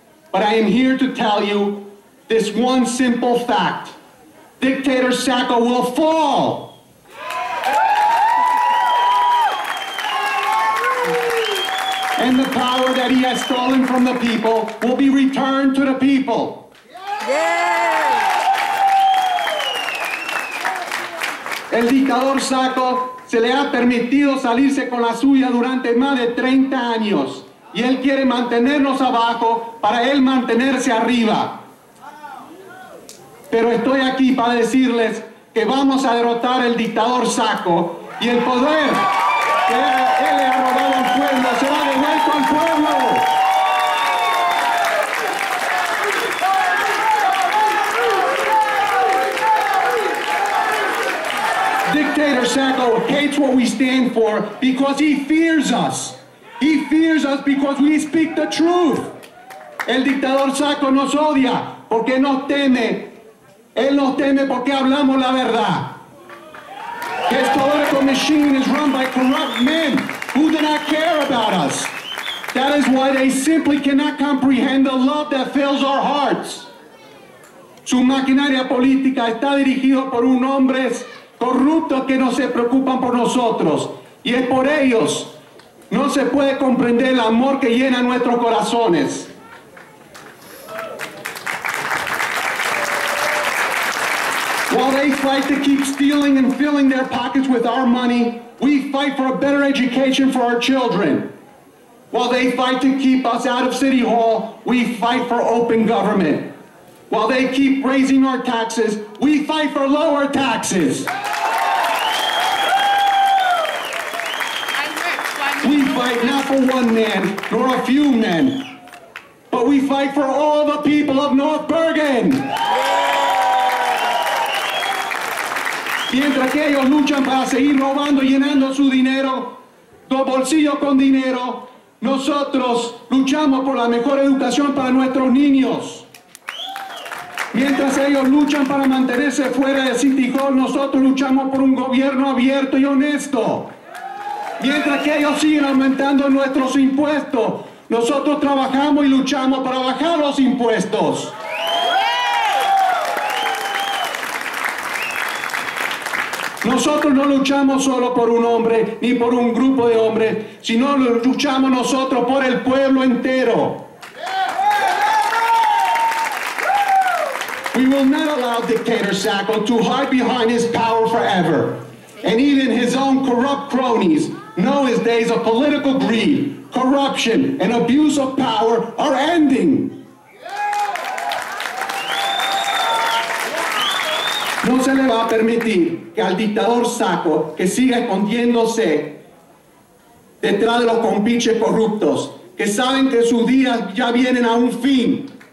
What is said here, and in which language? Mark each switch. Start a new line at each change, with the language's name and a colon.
English: But I am here to tell you this one simple fact. Dictator Sacco will fall. And the power that he has stolen from the people will be returned to the people. Yeah.
Spanish: El dictador Sacco se le ha permitido salirse con la suya durante más de 30 años y él quiere mantenernos abajo para él mantenerse arriba. Pero estoy aquí para decirles que vamos a derrotar al dictador Sacco y el poder que él le ha robado al pueblo será devuelto al pueblo.
English: Dictator Sacco hates what we stand for because he fears us. He fears us because we speak the truth.
Spanish: El dictador Sacco nos odia porque nos teme. Él nos teme porque hablamos la verdad.
English: His political machine is run by corrupt men who do not care about us. That is why they simply cannot comprehend the love that fills our hearts.
Spanish: Su maquinaria política está dirigido por un hombres corruptos que no se preocupan por nosotros. Y es por ellos. No se puede comprender el amor que llena nuestros corazones.
English: While they fight to keep stealing and filling their pockets with our money, we fight for a better education for our children. While they fight to keep us out of City Hall, we fight for open government. While they keep raising our taxes, we fight for lower taxes. We fight not for one man, nor a few men, but we fight for all the people of North Bergen.
Spanish: Mientras que ellos luchan para seguir robando y llenando su dinero, los bolsillos con dinero, nosotros luchamos por la mejor educación para nuestros niños. Mientras ellos luchan para mantenerse fuera de City Hall, nosotros luchamos por un gobierno abierto y honesto. Mientras que ellos siguen aumentando nuestros impuestos, nosotros trabajamos y luchamos para bajar los impuestos. Nosotros no luchamos solo por un hombre ni por un grupo de hombres, sino luchamos nosotros por el pueblo entero.
English: We will not allow dictator Sacco to hide behind his power forever. And even his own corrupt cronies know his days of political greed, corruption, and abuse of power are ending.
Spanish: No se le va a permitir que al dictador Sacco que siga escondiéndose detrás de los compinches corruptos, que saben que sus días ya vienen a un fin.